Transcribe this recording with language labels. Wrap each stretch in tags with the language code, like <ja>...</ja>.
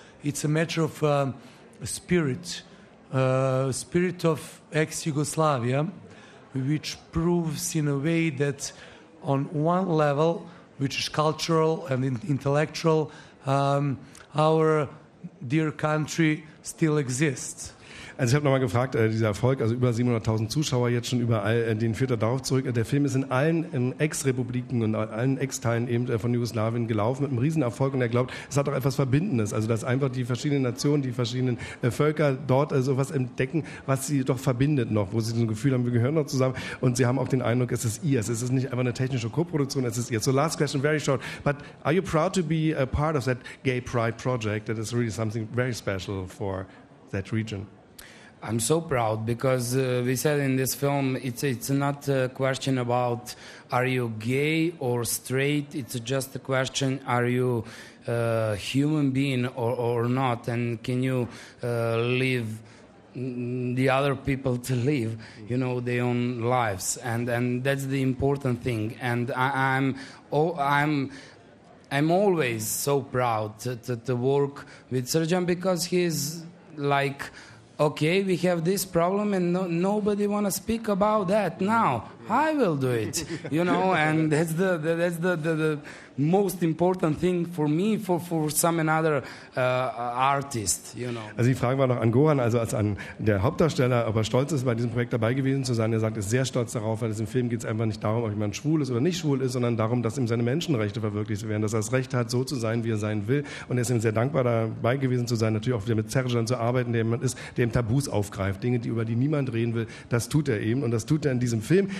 <en>It's a matter of spirit of ex-Yugoslavia, which proves in a way that on one level, which is cultural and intellectual, our dear country still exists.</en> <de>Also ich habe nochmal gefragt, dieser Erfolg, also über 700.000 Zuschauer jetzt schon überall, den führt er darauf zurück. Der Film ist in allen Ex-Republiken und allen Ex-Teilen eben von Jugoslawien gelaufen mit einem Riesenerfolg. Und er glaubt, es hat auch etwas Verbindendes. Also dass einfach die verschiedenen Nationen, die verschiedenen Völker dort also was entdecken, was sie doch verbindet noch, wo sie so ein Gefühl haben, wir gehören noch zusammen. Und sie haben auch den Eindruck, es ist ihr. Es ist nicht einfach eine technische Co-Produktion, es ist ihr.</de> <en>So last question, very short. But are you proud to be a part of that Gay Pride Project? That is really something very special for that region. I'm so proud because we said in this film it's not a question about are you gay or straight. It's just a question: are you a human being or not, and can you live the other people to live, you know, their own lives, and that's the important thing. And I'm always so proud to work with Sergen because he's like, okay, we have this problem and nobody want to speak about that. Now I will do it, you know, and that's the most important thing for me, for some another artist, you know.</en> <de>Also die Frage war noch an Goran, also als an der Hauptdarsteller, ob er stolz ist, bei diesem Projekt dabei gewesen zu sein. Er sagt, er ist sehr stolz darauf, weil es im Film geht es einfach nicht darum, ob jemand schwul ist oder nicht schwul ist, sondern darum, dass ihm seine Menschenrechte verwirklicht werden, dass er das Recht hat, so zu sein, wie er sein will. Und er ist ihm sehr dankbar dabei gewesen zu sein, natürlich auch wieder mit Sergen zu arbeiten, der jemand ist, der ihm Tabus aufgreift, Dinge, über die niemand reden will, das tut er eben und das tut er in diesem Film.</de>